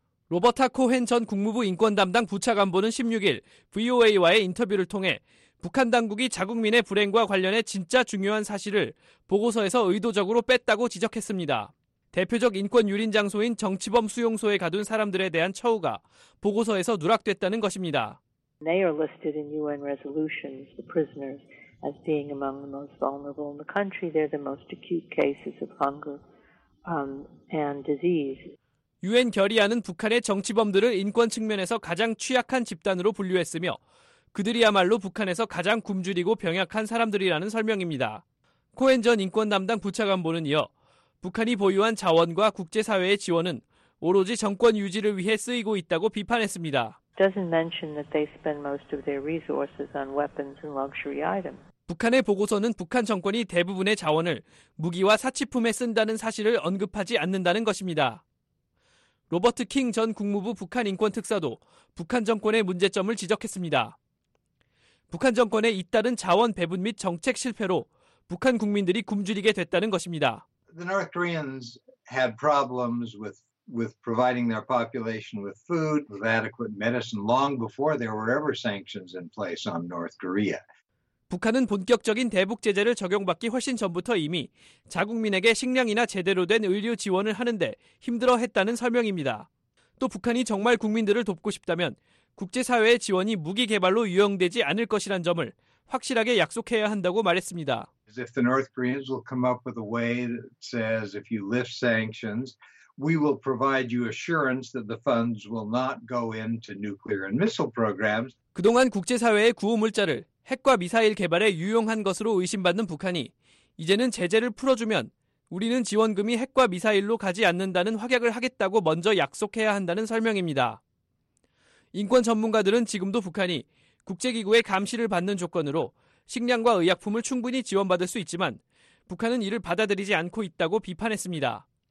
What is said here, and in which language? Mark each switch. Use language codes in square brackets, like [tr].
[ko] 로버타 코헨 전 국무부 인권 담당 부차관보는 16일 VOA와의 인터뷰를 통해 북한 당국이 자국민의 불행과 관련해 진짜 중요한 사실을 보고서에서 의도적으로 뺐다고 지적했습니다. 대표적 인권 유린 장소인 정치범 수용소에 가둔 사람들에 대한 처우가 보고서에서 누락됐다는 것입니다. [en] They are listed in UN resolutions, the prisoners, as being among the most vulnerable in the country. They're the most acute cases of hunger and disease. [ko] 유엔 결의안은 북한의 정치범들을 인권 측면에서 가장 취약한 집단으로 분류했으며 그들이야말로 북한에서 가장 굶주리고 병약한 사람들이라는 설명입니다. 코헨 전 인권 담당 부차관보는 이어 북한이 보유한 자원과 국제사회의 지원은 오로지 정권 유지를 위해 쓰이고 있다고 비판했습니다. [en] Doesn't mention that they spend most of their resources on weapons and luxury items. [ko] 북한의 보고서는 북한 정권이 대부분의 자원을 무기와 사치품에 쓴다는 사실을 언급하지 않는다는 것입니다. 로버트 킹 전 국무부 북한인권특사도 북한 정권의 문제점을 지적했습니다. 북한 정권의 잇따른 자원 배분 및 정책 실패로 북한 국민들이 굶주리게 됐다는 것입니다. [en] The North Koreans had problems with providing their population with food, with adequate medicine long before there were ever sanctions in place on North Korea. [ko] 북한은 본격적인 대북 제재를 적용받기 훨씬 전부터 이미 자국민에게 식량이나 제대로 된 의료 지원을 하는데 힘들어했다는 설명입니다. 또 북한이 정말 국민들을 돕고 싶다면 국제사회의 지원이 무기 개발로 유용되지 않을 것이란 점을 확실하게 약속해야 한다고 말했습니다. [en] If the North Koreans will come up with a way that says if you lift sanctions, we will provide you assurance that the funds will not go into nuclear and missile programs. [ko] 그동안 국제사회의 구호물자를 핵과 미사일 개발에 유용한 것으로 의심받는 북한이 이제는 제재를 풀어주면 우리는 지원금이 핵과 미사일로 가지 않는다는 확약을 하겠다고 먼저 약속해야 한다는 설명입니다. 인권 전문가들은 지금도 북한이 국제기구의 감시를 받는 조건으로 식량과 의약품을 충분히 지원받을 수 있지만 북한은 이를 받아들이지 않고 있다고 비판했습니다.